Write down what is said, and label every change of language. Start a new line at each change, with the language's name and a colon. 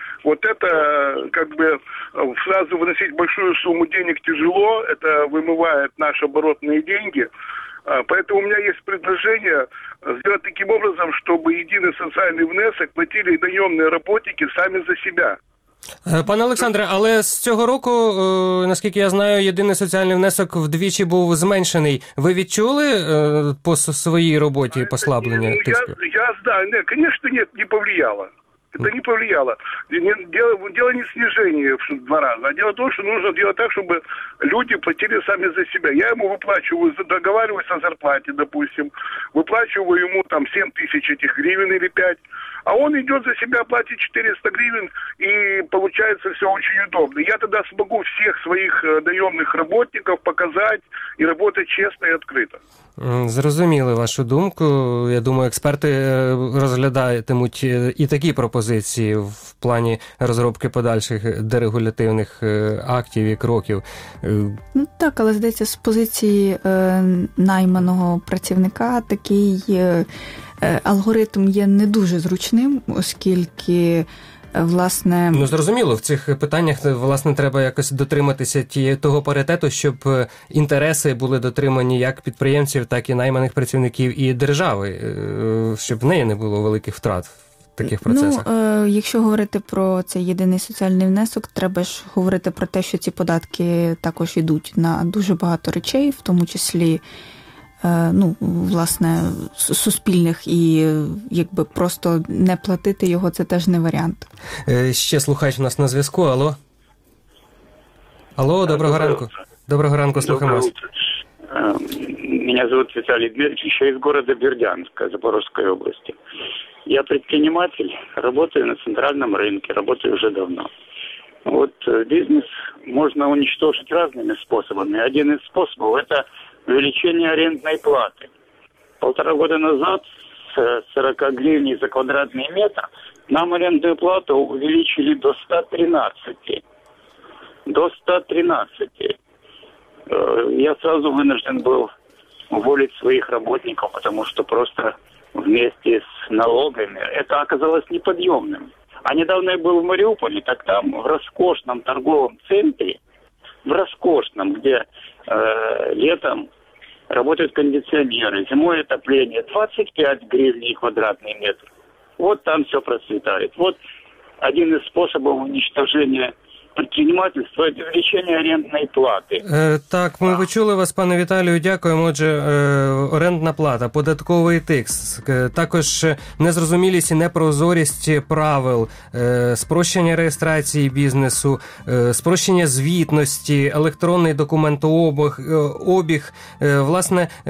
Russian: Вот это, как бы, сразу выносить большую сумму денег тяжело, это вымывает наши оборотные деньги. Поэтому у меня есть предложение сделать таким образом, чтобы единый социальный внесок платили наемные работники сами за себя.
Ukrainian: Пане Олександре, але з цього року, наскільки я знаю, єдиний соціальний внесок вдвічі був зменшений. Ви відчули по своїй роботі послаблення тиску? Я знаю. Ні, звісно, ні,
Russian: не повлияло. Это не повлияло. Дело не в снижении в 2 раза, а дело в том, что нужно делать так, чтобы люди платили сами за себя. Я ему выплачиваю, договариваюсь о зарплате, допустим, выплачиваю ему там 7 тысяч этих гривен или 5, а он идет за себя, платит 400 гривен, и получается все очень удобно. Я тогда смогу всех своих наемных работников показать и работать честно и открыто.
Ukrainian: Зрозуміли вашу думку. Я думаю, експерти розглядатимуть і такі пропозиції в плані розробки подальших дерегулятивних актів і кроків. Так, але, здається, з позиції найманого працівника такий алгоритм є не дуже зручним, оскільки... Власне, ну, зрозуміло, в цих питаннях, власне, треба якось дотриматися того паритету, щоб інтереси були дотримані як підприємців, так і найманих працівників і держави, щоб в неї не було великих втрат в таких процесах. Ну, якщо говорити про цей єдиний соціальний внесок, треба ж говорити про те, що ці податки також йдуть на дуже багато речей, в тому числі, ну, власне, суспільних, і якби просто не платити його, це теж не варіант. Ще слухач у нас на зв'язку, алло. Алло, доброго ранку. Доброго ранку, слухаємо вас.
Russian: Меня зовут Виталий Дмитрович, я из города Бердянска, Запорожской области. Я предприниматель, работаю на центральном рынке, работаю уже давно. Вот бизнес можно уничтожить разными способами. Один из способов – это увеличение арендной платы. Полтора года назад с 40 гривен за квадратный метр нам арендную плату увеличили до 113. До 113. Я сразу вынужден был уволить своих работников, потому что просто вместе с налогами это оказалось неподъемным. А недавно я был в Мариуполе, так там в роскошном торговом центре, в роскошном, где летом работают кондиционеры, зимой отопление, 25 гривен квадратный метр. Вот там все процветает. Вот один из способов уничтожения предпринимательства – это увеличение арендной платы.
Ukrainian: Так, мы почули вас, пане Віталію, дякуємо. Отже, орендна плата, податковий тикс, також незрозумілість і непрозорість правил, спрощення реєстрації бізнесу, спрощення звітності, електронний документообіг, власне,